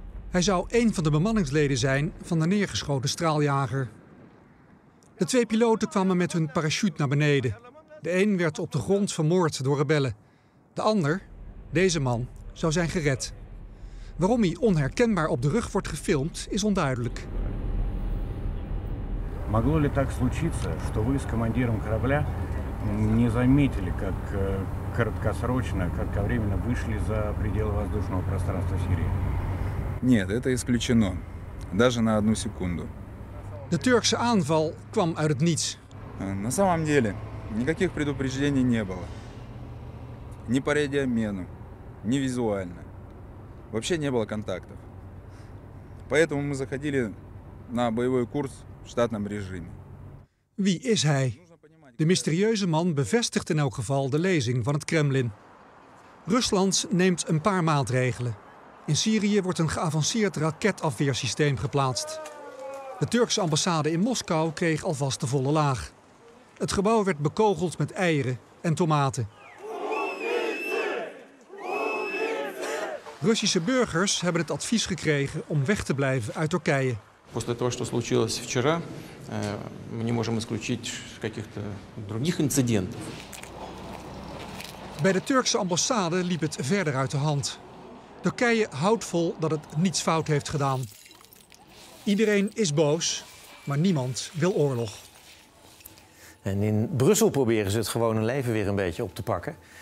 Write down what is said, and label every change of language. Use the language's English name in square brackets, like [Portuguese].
[Dutch] Hij zou een van de bemanningsleden zijn van de neergeschoten straaljager. De twee piloten kwamen met hun parachute naar beneden. De een werd op de grond vermoord door rebellen. De ander, deze man, zou zijn gered. Waarom hij onherkenbaar op de rug wordt gefilmd, is onduidelijk. [Russian] Могло ли так случиться, что вы с командиром корабля не заметили, как краткосрочно, как временно вышли за пределы воздушного пространства Сирии? Нет, это исключено. Даже на одну секунду. [Dutch] De Turkse aanval kwam uit het niets. [Russian] На самом деле, никаких предупреждений не было. Ни по радиообмену, ни визуально. Вообще не было контактов. Поэтому мы заходили на боевой курс в штатном режиме. [Dutch] Wie is hij? De mysterieuze man bevestigt in elk geval de lezing van het Kremlin. Rusland neemt een paar maatregelen. In Syrië wordt een geavanceerd raketafweersysteem geplaatst. De Turkse ambassade in Moskou kreeg alvast de volle laag. Het gebouw werd bekogeld met eieren en tomaten. Russische burgers hebben het advies gekregen om weg te blijven uit Turkije. [Russian] После того, что случилось вчера, мы не можем исключить каких-то других инцидентов. [Dutch] Bij de Turkse ambassade liep het verder uit de hand. Turkije houdt vol dat het niets fout heeft gedaan. Iedereen is boos, maar niemand wil oorlog. En in Brussel proberen ze het gewone leven weer een beetje op te pakken.